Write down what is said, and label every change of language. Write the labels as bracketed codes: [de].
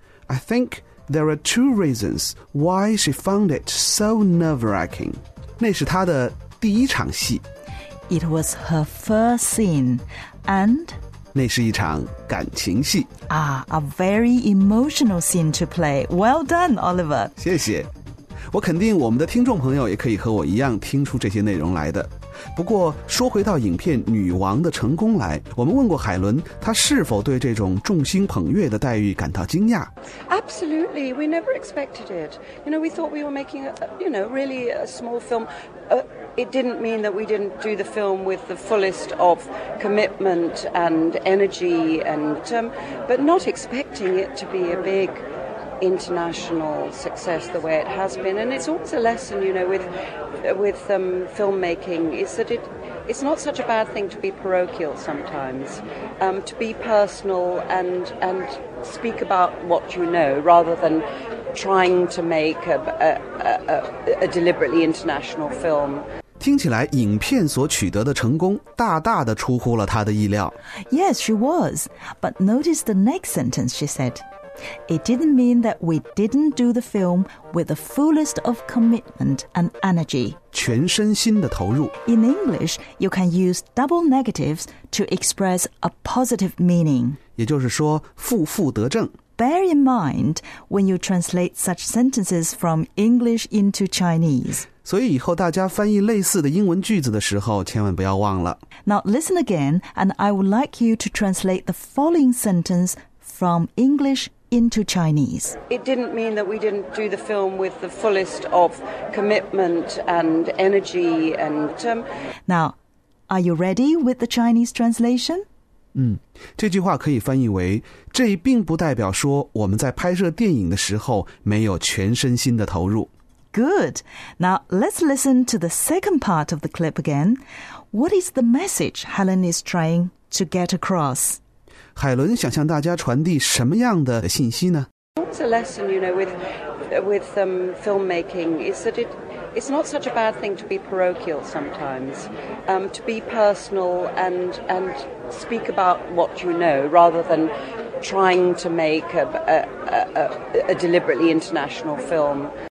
[en] I think there are two reasons why she found it so nerve-wracking. [zh] 那是她的第一场戏。 [en] It was her first scene, and [zh] 那是一场感情戏 [en] a very emotional scene to play. Well done, Oliver. [zh] 谢谢。我肯定我们的听众朋友也可以和我一样听出这些内容来的。不过说回到影片《女王》的成功来，我们问过海伦，她是否对这种众星捧月的待遇感到惊讶 [en] ？Absolutely, we never expected it. You know, we thought we were making a small film. It didn't mean that we didn't do the film with the fullest of commitment and energy, but not expecting it to be a big international success the way it has been. And it's always a lesson, you know, with filmmaking, is that it's not such a bad thing to be parochial sometimes, to be personal and speak about what you know rather than trying to make a deliberately international film. [zh] 听起来影片所取得的成功大大的出乎了她的意料。 [en] Yes, she was. But notice the next sentence she said. It didn't mean that we didn't do the film with the fullest of commitment and energy. [zh] 全身心的投入。 [en] In English, you can use double negatives to express a positive meaning. [zh] 也就是说负负得正。 [en] Bear in mind when you translate such sentences from English into Chinese. [zh] 所以以后大家翻译类似的英文句子的时候千万不要忘了。 [en] Now listen again, and I would like you to translate the following sentence from English into Chinese. It didn't mean that we didn't do the film with the fullest of commitment and energy Now, are you ready with the Chinese translation? [zh] 这句话可以翻译为这并不代表说我们在拍摄电影的时候没有全身心的投入。 [en] Good. Now, let's listen to the second part of the clip again. What is the message Helen is trying to get across? [zh] 海伦想向大家传递什么样的信息呢? [en] What's a lesson, you know, with filmmaking is that it's not such a bad thing to be parochial sometimes, to be personal and speak about what you know rather than trying to make a deliberately international film.